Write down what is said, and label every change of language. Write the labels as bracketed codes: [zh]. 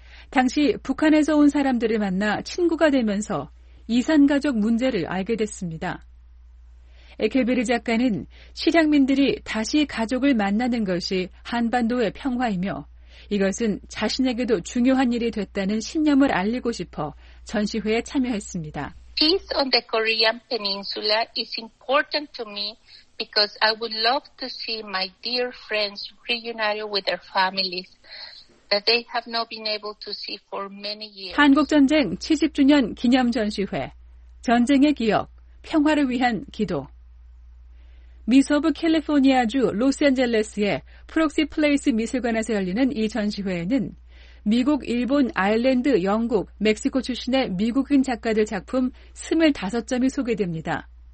[ko] 당시 북한에서 온 사람들을 만나 친구가 되면서 이산가족 문제를 알게 됐습니다. 에켈베리 작가는 실향민들이 다시 가족을 만나는 것이 한반도의 평화이며 이것은 자신에게도 중요한 일이 됐다는 신념을 알리고 싶어 전시회에 참여했습니다. [en] Peace on the Korean Peninsula is important to me because I would love to see my dear friends reunited with their families that they have not been able to see for many years. [ko] 한국전쟁 70주년 기념 전시회, 전쟁의 기억, 평화를 위한 기도. 미서부 캘리포니아주 로스앤젤레스의 프록시 플레이스 미술관에서 열리는 이 전시회에는 미국, 일본, 아일랜드, 영국, 멕시코 출신의 미국인 작가들 작품 25점이 소개됩니다.